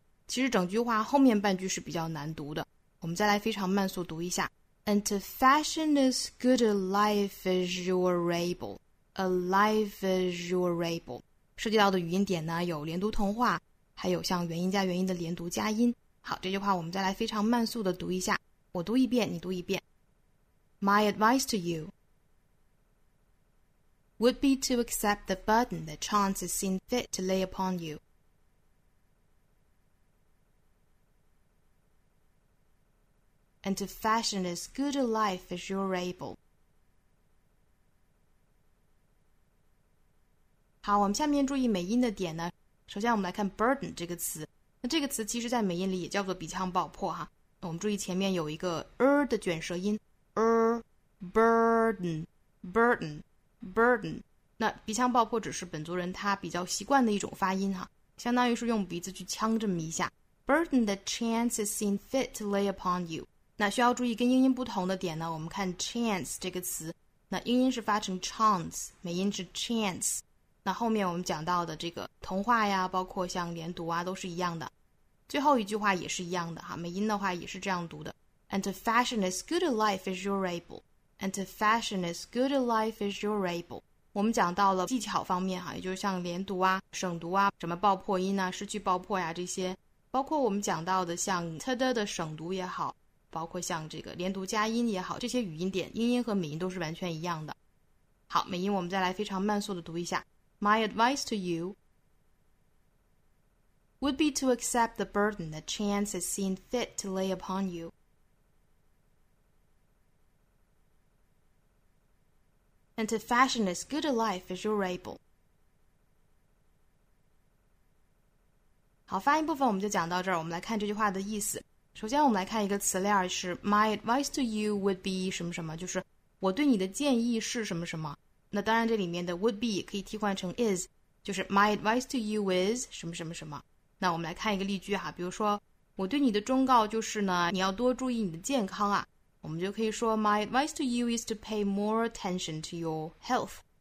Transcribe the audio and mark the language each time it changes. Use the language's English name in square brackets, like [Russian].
[Chinese] 其实整句话后面半句是比较难读的。我们再来非常慢速读一下。 [English] And to fashion as good a life as you're able, a life as you're able. [Chinese] 涉及到的语音点呢，有连读同化，还有像元音加元音的连读加音。好，这句话我们再来非常慢速的读一下。我读一遍，你读一遍。 [English] My advice to you would be to accept the burden that chance has seen fit to lay upon you. And to fashion as good a life as you're able. [Chinese] 好，我们下面注意美音的点呢。首先我们来看 burden 这个词。那这个词其实在美音里也叫做鼻腔爆破哈。我们注意前面有一个 r 的卷舌音。 [English] burden. [Chinese] 那鼻腔爆破只是本族人他比较习惯的一种发音哈。相当于是用鼻子去呛这么一下。 [English] Burden the chance has seen fit to lay upon you. [Chinese] 那需要注意跟英音不同的点呢，我们看 chance 这个词，那英音是发成 chance， 美音是 chance。那后面我们讲到的这个同化呀，包括像连读啊，都是一样的。最后一句话也是一样的哈，美音的话也是这样读的。 [English] And to fashion as good a life as you're able. And to fashion as good a life as you're able. [Chinese] 我们讲到了技巧方面哈，也就是像连读啊、省读啊、什么爆破音啊、失去爆破呀这些，包括我们讲到的像 tada 的省读也好。包括像这个连读加音也好，这些语音点英音和美音都是完全一样的。好，美音我们再来非常慢速的读一下。 [English] My advice to you would be to accept the burden that chance has seen fit to lay upon you. And to fashion as good a life as you're able. [Chinese] 好，发音部分我们就讲到这儿，我们来看这句话的意思。首先我们来看一个词链，是 [English] My advice to you would be [Chinese] 什么什么，就是我对你的建议是什么什么。那当然这里面的 would be 可以替换成 is， 就是 [English] My advice to you is [Chinese] 什么什么什么。那我们来看一个例句哈，比如说我对你的忠告就是呢，你要多注意你的健康啊。我们就可以说 [English] My advice to you is to pay more attention to your health。